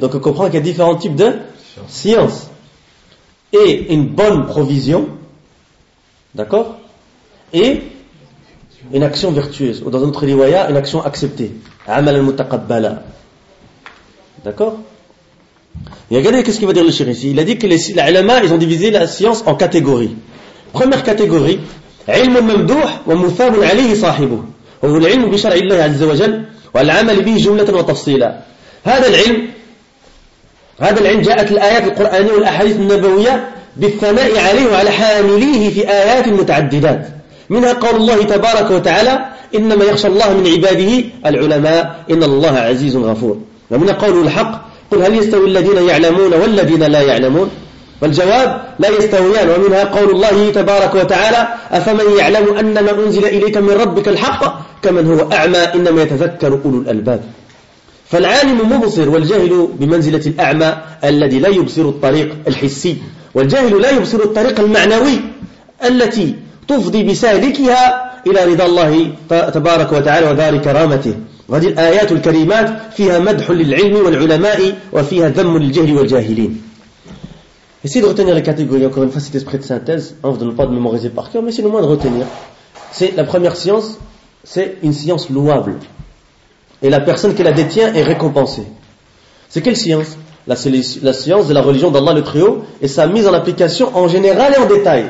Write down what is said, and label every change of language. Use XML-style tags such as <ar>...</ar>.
<fr>Donc on comprend qu'il y a différents types de science. Et une bonne provision. D'accord? Et une action vertueuse. Ou dans notre riwaya, une action acceptée. Amal al-mutaqabbala. D'accord? Et regardez ce qu'il va dire le shir ici. Il a dit que les ulama, ils ont divisé la science en catégories. Première catégorie.</fr> <ar>علم ممدوح ومثاب عليه صاحبه هو العلم بشرع الله عز وجل والعمل به جملة وتفصيلا هذا العلم جاءت الآيات القرآنية والأحاديث النبوية بالثناء عليه وعلى حامليه في آيات متعددات منها قول الله تبارك وتعالى إنما يخشى الله من عباده العلماء إن الله عزيز غفور ومن قول الحق قل هل يستوي الذين يعلمون والذين لا يعلمون والجواب لا يستويان ومنها قول الله تبارك وتعالى أفمن يعلم أن ما أنزل إليك من ربك الحق كمن هو أعمى إنما يتذكر أولو الألباب فالعالم مبصر والجاهل بمنزلة الأعمى الذي لا يبصر الطريق الحسي والجاهل لا يبصر الطريق المعنوي التي تفضي بسالكها إلى رضا الله تبارك وتعالى ودار كرامته وهذه الآيات الكريمات فيها مدح للعلم والعلماء وفيها ذم للجهل والجاهلين.</ar> <fr>Essayez de retenir les catégories. Encore une fois, cet esprit de synthèse, on ne veut pas de mémoriser par cœur, mais essayez au moins de retenir. C'est la première science, c'est une science louable. Et la personne qui la détient est récompensée. C'est quelle science? La science de la religion d'Allah le Très-Haut et sa mise en application en général et en détail.</fr>